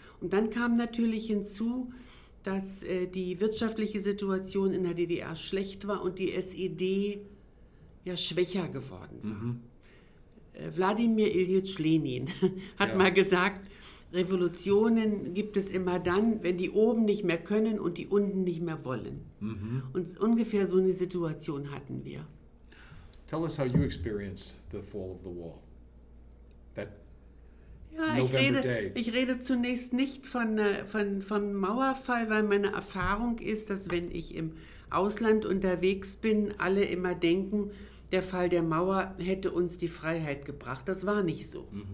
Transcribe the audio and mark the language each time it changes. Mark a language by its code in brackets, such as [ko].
[de] Und dann kam natürlich hinzu, dass die wirtschaftliche Situation in der DDR schlecht war und die SED ja schwächer geworden war. Wladimir Iljitsch Lenin hat mal gesagt, Revolutionen gibt es immer dann, wenn die oben nicht mehr können und die unten nicht mehr wollen. Und ungefähr so eine Situation hatten wir. [en] Tell us how you experienced the fall of the wall. That [de] ja, ich rede zunächst nicht vom Mauerfall, weil meine Erfahrung ist, dass wenn ich im Ausland unterwegs bin, alle immer denken, der Fall der Mauer hätte uns die Freiheit gebracht. Das war nicht so.